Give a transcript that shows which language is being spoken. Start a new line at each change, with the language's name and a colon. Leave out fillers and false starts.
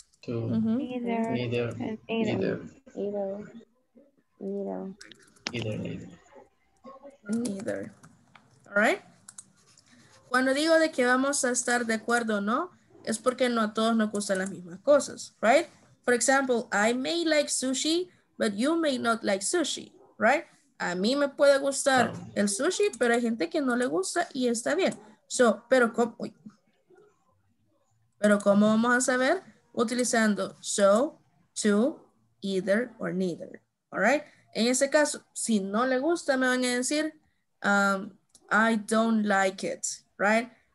English: Neither. All right.
Spanish: Cuando digo de que vamos a estar de acuerdo o no, es porque no a todos nos gustan las mismas cosas, right?
English: For example, I may like sushi, but you may not like sushi, right?
Spanish: A mí me puede gustar el sushi, pero hay gente que no le gusta y está bien. So, pero ¿cómo? Pero ¿cómo vamos a saber? Utilizando so, to, either, or neither. All right? En ese caso, si no le gusta, me van a decir,
English: I don't like it.
Spanish: Right?